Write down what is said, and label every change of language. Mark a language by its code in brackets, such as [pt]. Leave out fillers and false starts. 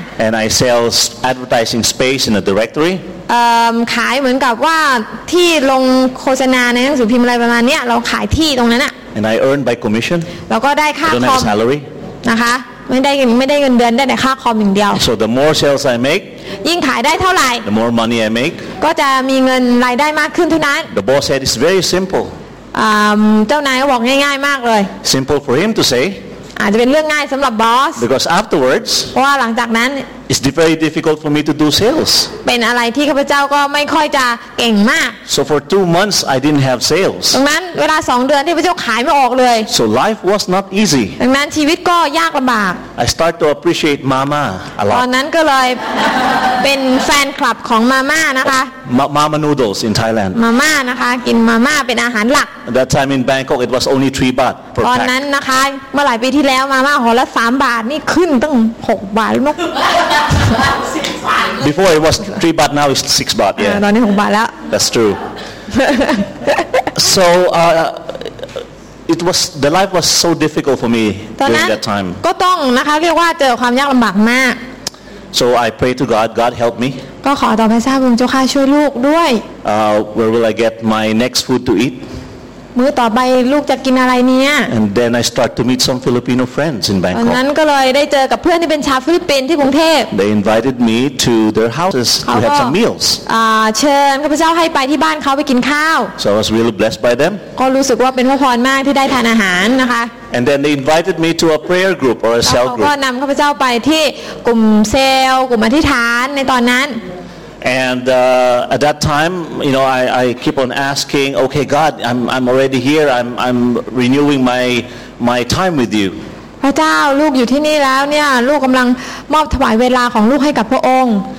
[en] and I sells advertising space in a directory [th] ขายเหมือนกับว่าที่ลงโฆษณาในหนังสือพิมพ์อะไรประมาณนี้เราขายที่ตรงนั้นน่ะ [en] and I earn by commission [th] แล้วก็ได้ค่าคอม [en] don't have salary [th] นะคะไม่ได้เงินเดือนได้แต่ค่าคอมอย่างเดียว [en] so the more sales I make [th] ยิ่งขายได้เท่าไหร่ [en] The more money I make [th] ก็จะมีเงินรายได้มากขึ้นเท่านั้น [en] The boss said it's very simple [th] เจ้านายก็บอกง่ายๆมากเลย [en] Simple for him to say [th] อาจจะเป็นเรื่องง่ายสำหรับบอส [en] Because afterwards [th] เพราะว่าหลังจากนั้น [en] It's very difficult for me to do sales [th] เป็นอะไรที่ข้าพเจ้าก็ไม่ค่อยจะเก่งมาก [en] So for 2 months I didn't have sales [th] ดังนั้นเวลา2 เดือนที่ข้าพเจ้าขายไม่ออกเลย [en] So life was not easy [th] ดังนั้นชีวิตก็ยากลำบาก [en] I start to appreciate Mama a lot [th] ตอนนั้นก็เลยเป็นแฟนคลับของมาม่านะคะ [en] Mama noodles in Thailand [th] มาม่านะคะกินมาม่าเป็นอาหารหลัก [en] That time in Bangkok it was only 3 baht per pack [th] ตอนนั้นนะคะเมื่อหลายปีที่แล้วมาม่าหัวละ3 บาทนี่ขึ้นตั้ง6 บาทแล้วน [en] ะ Before it was 3 baht now it's 6 baht yeah [th] ตอนนี้6 บาทแล้ว [en] That's true So it was the life was so difficult for me during that time [th] ก็ต้องนะคะเรียกว่าเจอความยากลำบากมาก [en] So I pray to God. God help me. [th] ก็ขอต่อพระเจ้าพระเจ้าค่ะช่วยลูกด้วย [en] Where will I get my next food to eat? [th] มื้อต่อไปลูกจะกินอะไรเนี่ย [en] And then I start to meet some Filipino friends in Bangkok. [th] ตอนนั้นก็เลยได้เจอกับเพื่อนที่เป็นชาวฟิลิปปินส์ที่กรุงเทพ [en] They invited me to their houses to have some meals. [th] เชิญข้าพเจ้าให้ไปที่บ้านเขาไปกินข้าว [en] So I was really blessed by them. [th] ก็รู้สึกว่าเป็นพระพรมากที่ได้ทานอาหารนะคะ [en] And then they invited me to a prayer group or a cell group. [th] เขาก็นำข้าพเจ้าไปที่กลุ่มเซลล์กลุ่มอธิษฐานในตอนนั้น [en] And at that time, you know, I keep on asking, okay, God, I'm already here. I'm renewing my time with you. [th] พระเจ้าลูกอยู่ที่นี่แล้วเนี่ยลูกกำลังมอบถวายเวลาของลูกให้กับพระองค์